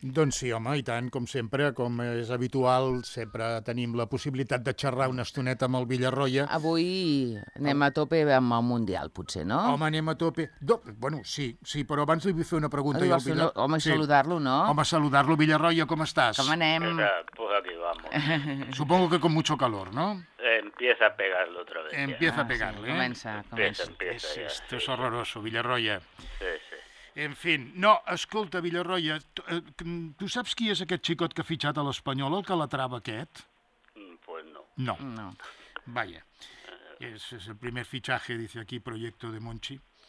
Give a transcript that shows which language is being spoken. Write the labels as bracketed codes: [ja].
[ca] Doncs sí, home, i tant, com sempre, com és habitual, sempre tenim la possibilitat de xerrar una estoneta amb el Villarroya. Avui anem a tope amb el Mundial, potser, no? Home, anem a tope. Bueno, sí, sí, però abans li vull fer una pregunta. Jo, home, sí. Saludar-lo, no? Home, saludar-lo, Villarroya, com estàs? Com anem? [es] Pues aquí vamos. Supongo que con mucho calor, no? Empieza a pegarlo otra vez. Empieza a pegarle, [ca] sí, comença, [es] empieza. Esto es horroroso, Villarroya. Sí. [ca] En fi, no, escolta, Villarroya, tu saps qui és aquest xicot que ha fitxat a l'Espanyol, el Calatrava aquest? Pues no. [es] No. Vaya. [ca] És el primer fitxatge, [es] dice aquí, [ca] Proyecto de Monchi.